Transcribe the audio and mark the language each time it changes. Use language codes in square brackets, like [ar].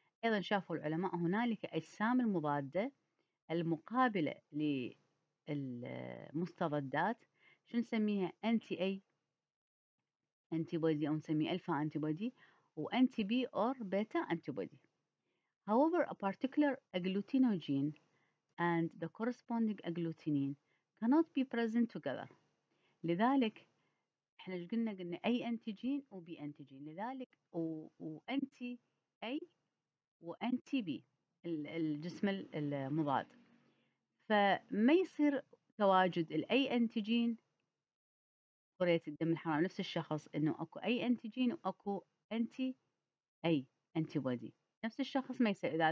[ar] أيضا شافوا العلماء هنالك أجسام المضادة المقابلة للمستضدات، شو نسميها؟ anti-A antibody أو نسميه alpha antibody و [en] anti-B or beta antibody. However, a particular agglutinogen and the corresponding agglutinin cannot be present together. [ar] لذلك احنا قلنا A antigen و B antigen، لذلك و anti-A و anti-B الجسم المضاد، فما يصير تواجد الـ A antigen كرية الدم الحمراء نفس الشخص، انه اكو A antigen واكو anti-A antibody نفس الشخص ما يصير.